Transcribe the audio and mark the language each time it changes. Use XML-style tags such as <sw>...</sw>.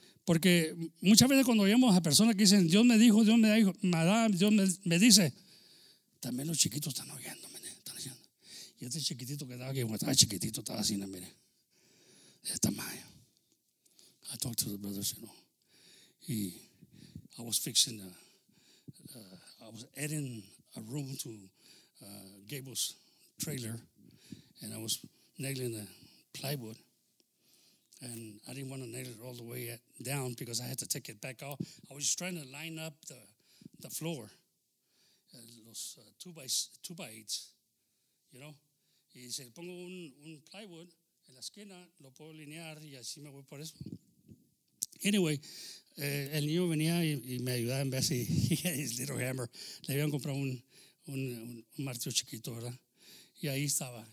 <es>Porque muchas veces cuando oímos a personas que dicen, Dios me dijo, Dios me da, madame, Dios me dice... También los chiquitos están oyendo, mire, están oyendo. Y este chiquitito que estaba aquí, estaba chiquitito, estaba así, mire. De esta madre.</es> <en>talk to the brothers, you know. I was fixing, I was adding a room to Gable's trailer, and I was nailing the plywood. And I didn't want to nail it all the way down because I had to take it back off. I was just trying to line up the floor, los two by eights, you know.</en> <es>Y dice, pongo un plywood en la esquina, lo puedo alinear y así me voy por eso. Anyway, el niño venía y me ayudaba en vez de</es> <en>his little hammer.</en> <es>Le habían comprado un martillo chiquito, ¿verdad? Y ahí estaba.</es>